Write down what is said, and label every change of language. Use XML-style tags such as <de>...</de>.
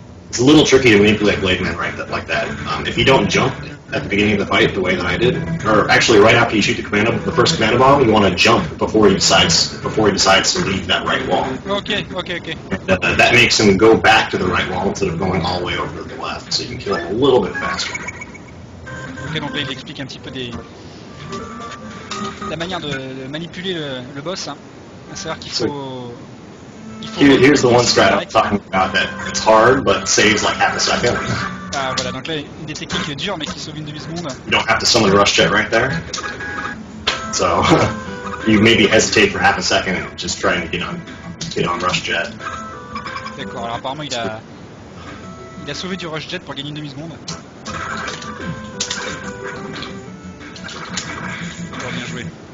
<en>It's a little tricky to manipulate Blade Man right like that. If you don't jump at the beginning of the fight the way that I did, or actually right after you shoot the commando, the first commando bomb, you want to jump before he decides to leave that right wall. Okay. That makes him go back to the right wall instead of going all the way over to the left, so you can kill him a little bit faster.</en> <fr>Okay, donc il explique un petit peu des la manière de manipuler le boss, hein. C'est-à-dire qu'il faut...</fr> <en>Here's the one strat I'm talking about that it's hard but saves like half a second.</en> <fr>Ah voilà, donc là une des techniques est dure mais qui sauve une demi-seconde.</fr> <en>You don't have to summon rush jet right there. So you maybe hesitate for half a second and just trying to get on rush jet.</en> <fr>D'accord, alors apparemment il a sauvé du rush jet pour gagner une demi-seconde. Encore bien joué.</fr>